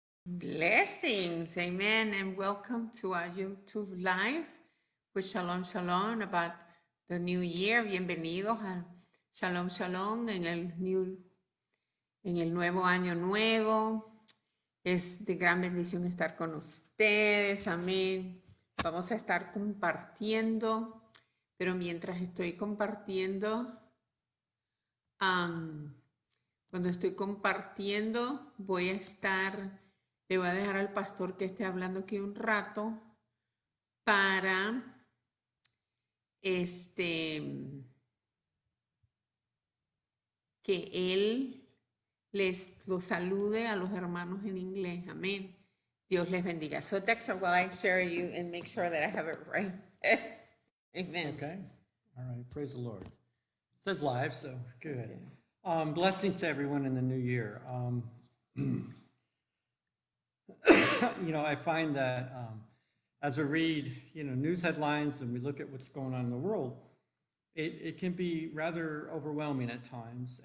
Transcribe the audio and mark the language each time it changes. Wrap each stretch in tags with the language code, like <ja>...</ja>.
<en>Blessings, amen, and welcome to our YouTube live with Shalom Shalom about the new year.</en> <es>Bienvenidos a Shalom Shalom en el nuevo año nuevo. Es de gran bendición estar con ustedes, amén. Vamos a estar compartiendo, pero mientras estoy compartiendo, cuando estoy compartiendo, voy a estar. Le voy a dejar al pastor que esté hablando aquí un rato para que él les lo salude a los hermanos en inglés. Amén. Dios les bendiga.</es> <en>So, Dexter, while I share you and make sure that I have it right. Amen. Okay. All right. Praise the Lord. It says live, so good. Blessings to everyone in the new year. You know, I find that as we read, you know, news headlines and we look at what's going on in the world, it can be rather overwhelming at times.</en>